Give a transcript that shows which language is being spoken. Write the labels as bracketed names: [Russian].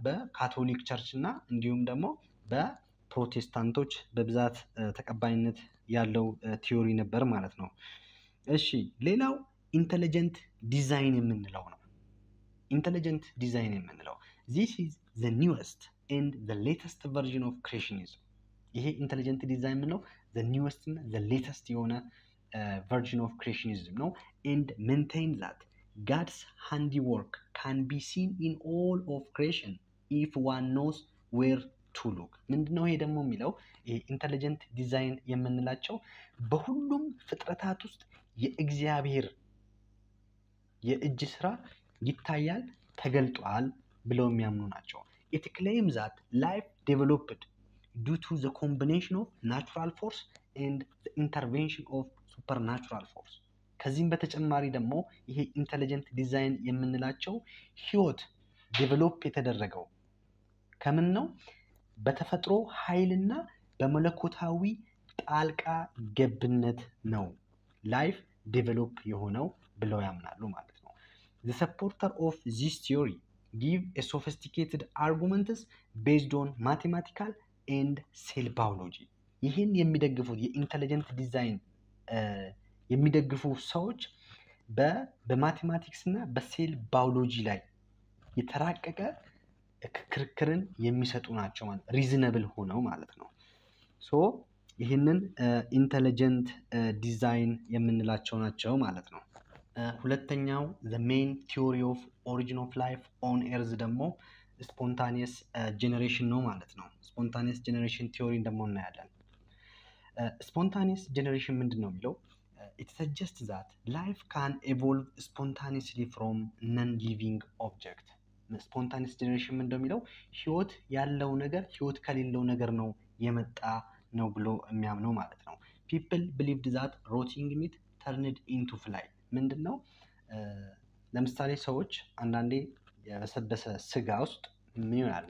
[Amharic] በካቶሊክ ቸርች እና እንዲሁም ደግሞ በፕሮቴስታንቶች በብዛት ተቀባይነት ያለው ቲዮሪ ነበር ማለት ነው። እሺ፣ ሌላው ኢንተለጀንት ዲዛይን የምንለው ነው። ኢንተለጀንት ዲዛይን የምንለው [English] this is the newest and the latest version of creationism. [Amharic] ይሄ ኢንተለጀንት ዲዛይን ምን ነው? [English] the newest እና the latest የሆነ version of creationism ነው and maintain that God's handiwork can be seen in all of creation if one knows where to look. [Amharic] ምንድነው ይሄ ደግሞ የሚለው? ኢንተለጀንት ዲዛይን የምንላቸው በሁሉም ፍጥረታት ውስጥ የእግዚአብሔር የእጅ ስራ ይታያል ተገልጧል ብለው የሚያምኑ ናቸው። [English] It claims that life developed due to the combination of natural force and the intervention of supernatural force. [Amharic] ከዚህም በተጨማሪ ደግሞ ይሄ ኢንተለጀንት ዲዛይን የምንላቸው ህይወት ዴቨሎፕ የተደረገው ከምን ነው? በተፈጥሮ ኃይልና በመለኮታዊ ጣልቃ ገብነት ነው ላይፍ ዴቨሎፕ የሆነው ብለው ያምናሉ ማለት ነው። [English] The supporter of this theory give a sophisticated arguments based on mathematical and cell biology. [Amharic] ይሄን የሚደግፉት የኢንተለጀንት ዲዛይን የሚደግፉ ሰዎች በማቴማቲክስ እና በሴል ባዮሎጂ ላይ የተራቀቀ ክርክርን የሚሰጡ ናቸው ማለት ሪዝነብል ሆነው ማለት ነው። ሶ ይሄንን ኢንተለጀንት ዲዛይን የምንላቸው ናቸው ማለት ነው። ሁለተኛው [English] the main theory of origin of life on earth [Amharic] ደግሞ spontaneous generation ነው ማለት ነው። spontaneous generation theory ደግሞ እናያለን። spontaneous generation ምንድነው የሚለው? [English] It suggests that life can evolve spontaneously from non-living object. [Amharic] Spontaneous generation ምን እንደሚለው? ህይወት ያለው ነገር ህይወት ከሌለው ነገር ነው የመጣ ነው ብሎ የሚያምነው ማለት ነው። [English] People believed that rotting meat turned into fly. [Amharic] ምንድነው? ለምሳሌ ሰዎች አንዳንዴ የበሰበሰ ስጋ ውስጥ ምን ይላል?